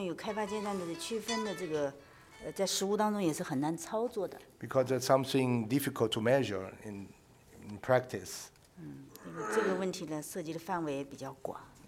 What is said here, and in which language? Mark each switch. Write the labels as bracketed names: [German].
[Chinese] 就无形资产的研究阶段与开发阶段的区分的这个。 [English] Because that's something difficult to measure in practice. [Chinese] 这个问题呢，涉及的范围比较广。